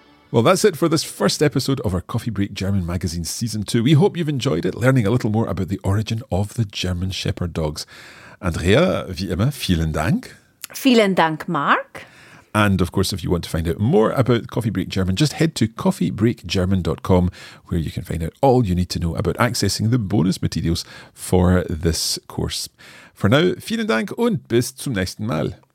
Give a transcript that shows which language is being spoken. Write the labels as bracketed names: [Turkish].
[English] Well, that's it for this first episode of our Coffee Break German Magazine Season 2. We hope you've enjoyed it, learning a little more about the origin of the German Shepherd Dogs. [German] Andrea, wie immer, vielen Dank. Vielen Dank, Mark. [English] And of course, if you want to find out more about Coffee Break German, just head to coffeebreakgerman.com, where you can find out all you need to know about accessing the bonus materials for this course. For now, [German] vielen Dank und bis zum nächsten Mal.